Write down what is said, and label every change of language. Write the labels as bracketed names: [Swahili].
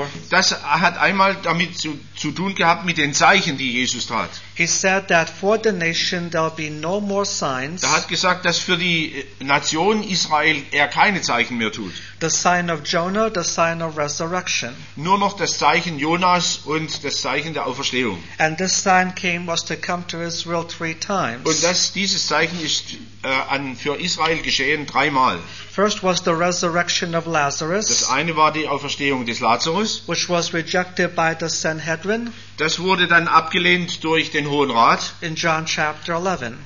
[German] Das hat einmal damit zu tun gehabt mit den Zeichen, die Jesus tat. [English] He said that for the nation there'll be no more signs. [German] Er hat gesagt, dass für die Nation Israel er keine Zeichen mehr tut. [English] The sign of Jonah, the sign of resurrection. [German] Nur noch das Zeichen Jonas und das Zeichen der Auferstehung. [English] And this sign came was to come to Israel three times. [German] Und dieses Zeichen ist für Israel geschehen dreimal. [English] First was the resurrection of Lazarus. [German] Das eine war die Auferstehung des Lazarus. [English] Which was rejected by the Sanhedrin. [German] Das wurde dann abgelehnt durch den Hohen Rat. [English] In John chapter 11.